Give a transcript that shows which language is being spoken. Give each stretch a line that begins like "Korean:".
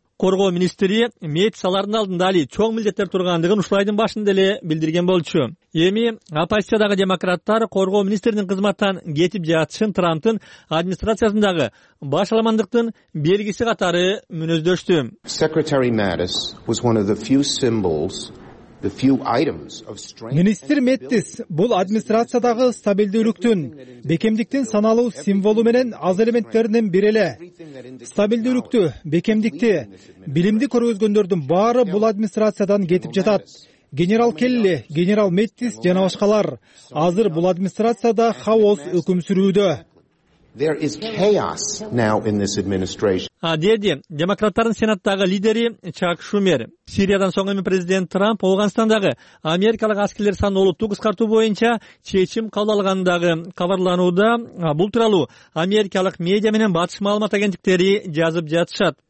Kyrgyz: Коргоо министри Мейтс алардын алдында али чоң милдеттер тургандыгын ушул айдын башында эле билдирген болчу. Эми оппозициядагы демократтар коргоо министринин кызматтан кетип жатышын Трамптын администрациясындагы башаламандыктын белгиси катары мүнөздөштү.
English: Secretary Mattis was one of the few symbols, the few items of strength.
Kyrgyz: Министр Мэттис бул администрациядагы стабилдүүлүктүн, бекемдиктин саналуу символу менен аз элементтеринин бири эле. Стабилдүүлүктү, бекемдикти, билимди көрсөткөндөрдүн баары бул администрациядан кетип жатат. Генерал Келли, генерал Мэттис жана башкалар азыр бул администрацияда хаос өкүм сүрүүдө.
English: There is chaos now in this administration.
Kyrgyz: Адеди, демократтардын сенаттагы лидери Чак Шумер. Сириядан соң эми президент Трамп Ауганстандагы америкалык аскерлер санын олуттуу кыскартуу боюнча чечим кабыл алгандагы кабарланууда, бул тууралуу америкалык медиа менен батыш маалымат агенттиктери жазып жатышат.